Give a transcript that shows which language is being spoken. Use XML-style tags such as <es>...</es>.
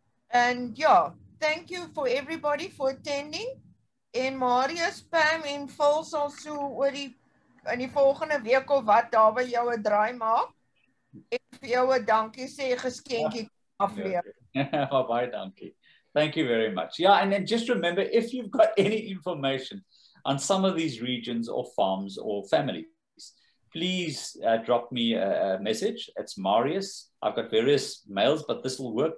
<en>and yeah, thank you for everybody for attending.</en> <af>En Marius, Pam en Phil sal so oor die in die volgende week of wat daar by jou 'n draai maak. Ek vir jou 'n dankie sê geskenkie aflewer.</af> <en>Bye-bye, donkey. Thank you very much. Yeah, and then just remember, if you've got any information on some of these regions or farms or families, please drop me a message. It's Marius. I've got various mails, but this will work.</en>